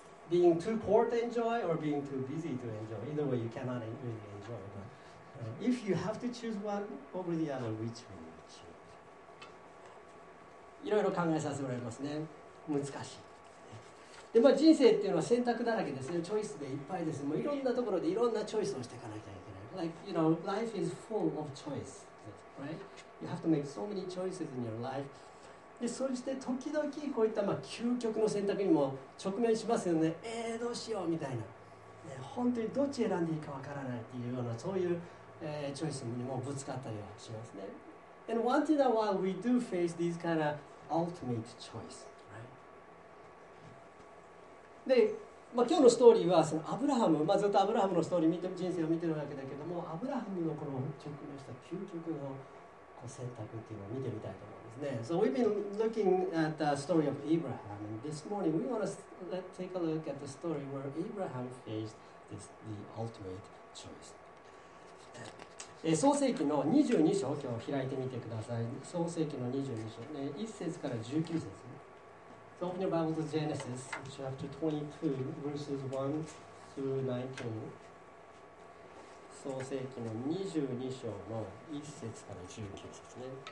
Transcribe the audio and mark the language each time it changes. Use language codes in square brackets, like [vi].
[en] Being too poor to enjoy or being too busy to enjoy? Either way, you cannot really enjoy. But if you have to choose one over the other, which will you choose? [ja] いろいろ考えさせられますね。難しい。で、まあ、人生っていうのは選択だらけですね。チョイスでいっぱいです。もういろんなところでいろんなチョイスをしていかなきゃいけない。 [en] Like, you know, life is full of choice, right? You have to make so many choices in your life. [ja] で、そして時々こういった、まあ、究極の選択にも直面しますよね。どうしようみたいな、ね。本当にどっち選んでいいかわからないっていうような、そういう、チョイスにもぶつかったりはしますね。 [en] And once in a while, we do face these kind of ultimate choice, right? [ja] で、まあ、今日のストーリーはそのアブラハム、まあ、ずっとアブラハムのストーリー見て人生を見てるわけだけども、アブラハムのこの直面した究極のこう選択っていうのを見てみたいと思うんですね。 [en] So we've been looking at the story of Abraham, and this morning we want to take a look at the story where Abraham faced this, the ultimate choice. [ja] 創世記の22章を今日開いてみてください。創世記の22章、ね、1節から19節、 [en] Open your Bible to Genesis, chapter 22, verses 1 through 19. [ja] 創世記の22章の1節から19節ですね。